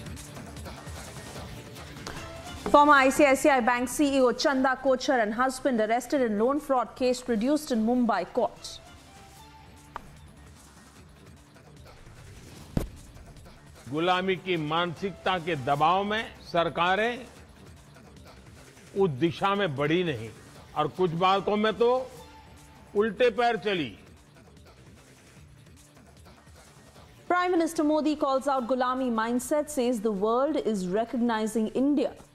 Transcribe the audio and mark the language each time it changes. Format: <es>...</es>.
<en>Former ICICI Bank CEO Chanda Kochhar and husband arrested in loan fraud case produced in Mumbai court.</en> <hi>गुलामी की मानसिकता के दबाव में सरकारें उस दिशा में बढ़ी नहीं और कुछ बातों में तो उल्टे पैर चली.</hi> <en>Prime Minister Modi calls out gulami mindset, says the world is recognizing India.</en>